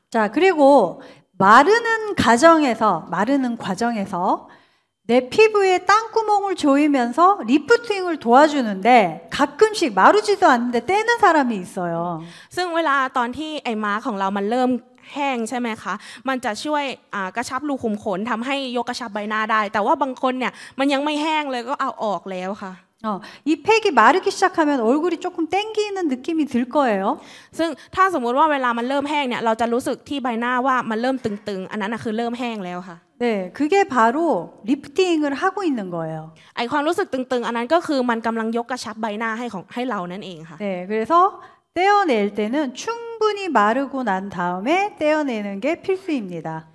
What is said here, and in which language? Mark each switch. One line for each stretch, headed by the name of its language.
Korean: 자그리고마르는과정에서마르는과정에서내피부에땅구멍을조이면서리프팅을도와주는데가끔씩마르지도않는데떼는사람이있어요
Thai: ซึ่งเวลาตอนที่ไอ้มาของเรามันเริ่มแห้งใช่มั้ยคะมันจะช่วยกระชับรูขุมขนทําให้ยกกระชับใบหน้าได้แต่ว่าบางคนเนี่ยมันยังไม่แห้งเลยก็เอาออกแล้วค่ะ
Korean: 이팩이마르기시작하면얼굴이조금땡기는느낌이들거예요
Thai: ซึ่งถ้าสมมุติว่าเวลามันเริ่มแห้งเนี่ยเราจะรู้สึกที่ใบหน้าว่ามันเริ่มตึงๆอันนั้นน่ะคือเริ่มแห้งแล้วค่ะ
Korean: 네그게바로리프팅을하고있는거예요
Thai: ไอ้ความรู้สึกตึงๆอันนั้นก็คือมันกําลังยกกระชับใบหน้าให้ของให้เรานั่นเองค่ะ
Korean: 네그래서떼어낼때는충분히마르고난다음에떼어내는게필수입니다